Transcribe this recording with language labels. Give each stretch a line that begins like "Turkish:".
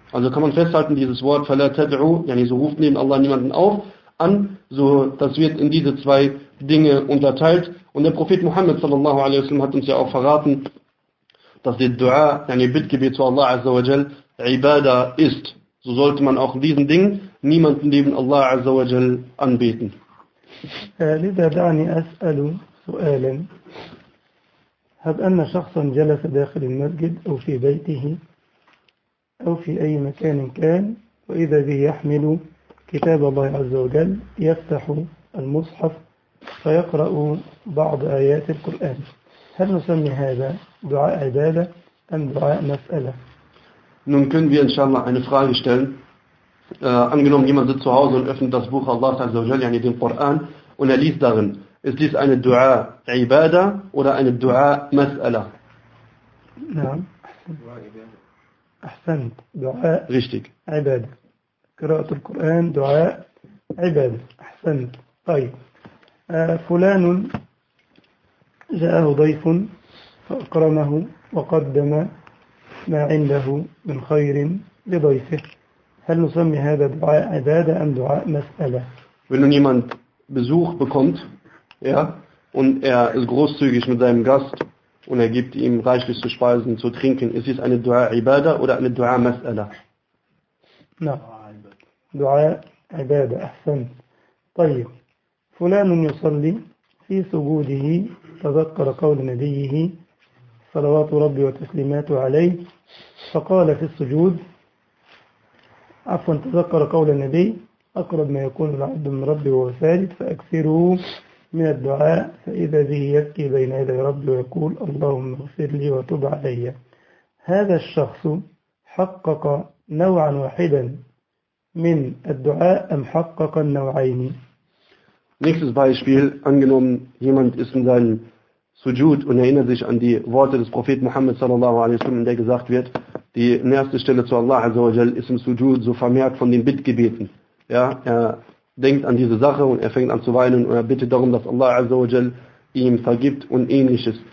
German: Also kann man festhalten, dieses Wort,
Arabic: فَلَا تَدْعُوا,
German: yani so ruft neben Allah niemanden auf, an, so, das wird in diese zwei Dinge unterteilt. Und der Prophet Muhammad sallallahu alaihi wasallam hat uns ja auch verraten, dass der Dua, yani Bittgebet zu Allah Azza wa Jal, Ibadah ist. So sollte man auch in diesen Dingen niemanden neben Allah Azza wa Jal anbeten.
Arabic: لذا دعني أسأل سؤالا. هب أن شخصا جلس داخل المسجد أو في بيته أو في أي مكان كان, وإذا به يحمل كتاب الله عز وجل, يفتح المصحف فيقرأ بعض آيات القرآن, هل نسمي هذا دعاء عبادة أم دعاء مسألة؟
German: Nun können wir inshallah eine Frage stellen. Angenommen, jemand sitzt zu Hause und öffnet das Buch Allah Azza wa Jal, yani den Koran, und er liest darin. Ist dies eine Dua Ibadah oder eine Dua Mas'ala?
Arabic: Naam. Ahsant. Dua.
German: Richtig.
Arabic: Ibadah. Qira'at al-Quran, Dua Ibadah. Ahsant. Tayyib. Fulanun ja'ahu dayfun fa'akramahu waqaddama ما عنده من خير لضيفه, هل نسمي هذا دعاء عبادة أم دعاء مسألة؟
German: Wenn nun jemand Besuch bekommt, ja, und er ist großzügig mit seinem Gast und er gibt ihm reichlich zu speisen, zu trinken, ist dies eine Dua Ibadah oder eine Dua Mas'ala?
English: No.
Arabic: Dua Ibadah, أحسن. طيب, فلان يصلي في سجوده تذكر قول نبيه صلوات ربي وتسليماته عليه, فقال في السجود, عفوا, تذكر قول النبي, أقرب ما يكون العبد من ربي وسالد, فأكثره من الدعاء, فإذا به يبكي بين يدي ربي ويقول اللهم اغفر لي وتب علي, هذا الشخص حقق نوعا واحدا من الدعاء أم حقق النوعين؟
German: Nächstes Beispiel, angenommen jemand ist in seinem Sujud und erinnert sich an die Worte des Propheten Muhammad sallallahu alaihi wasallam, in der gesagt wird, die erste Stelle zu Allah azza wa jal ist im Sujud so vermehrt von den Bittgebeten. Ja, er denkt an diese Sache und er fängt an zu weinen und er bittet darum, dass Allah azza wa jal ihm vergibt und ähnliches.